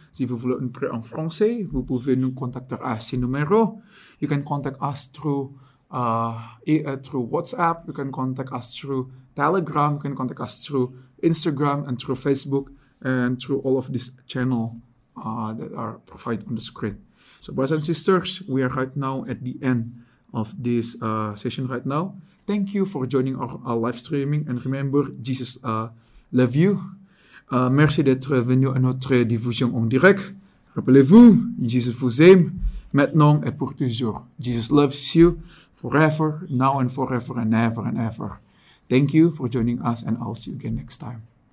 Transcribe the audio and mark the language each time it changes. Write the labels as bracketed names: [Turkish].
[French] Si vous voulez un prêt en français, vous pouvez nous contacter à ce numéro. [English] You can contact us through WhatsApp. You can contact us through Telegram. You can contact us through Instagram and through Facebook and through all of these channels that are provided on the screen. So, brothers and sisters, we are right now at the end of this session right now. Thank you for joining our live streaming. And remember, Jesus love you. [French] Merci d'être venu à notre diffusion en direct. Rappelez-vous, Jesus vous aime maintenant et pour toujours. [English] Jesus loves you forever, now and forever and ever and ever. Thank you for joining us, and I'll see you again next time.